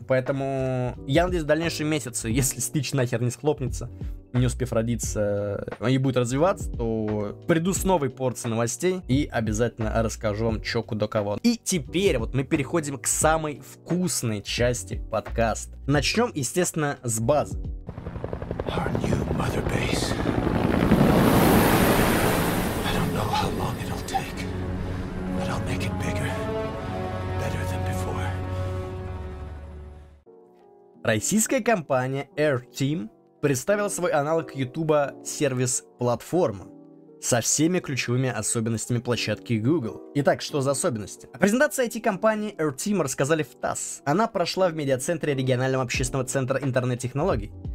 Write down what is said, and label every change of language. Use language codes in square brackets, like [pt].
[ru] Поэтому я надеюсь, в дальнейшие месяцы, если Стич нахер не схлопнется, не успев родиться и будет развиваться, то приду с новой порцией новостей и обязательно расскажу вам, что куда кого. И теперь вот мы переходим к самой вкусной части подкаста. Начнем, естественно, с базы. [en] Our new mother base. I don't know how long it'll take, but I'll make it bigger, better than before. [ru] Российская компания AirTeam представил свой аналог Ютуба сервис-платформа со всеми ключевыми особенностями площадки Google. Итак, что за особенности? О презентации IT-компании AirTeam рассказали в ТАСС. Она прошла в медиацентре регионального общественного центра интернет-технологий.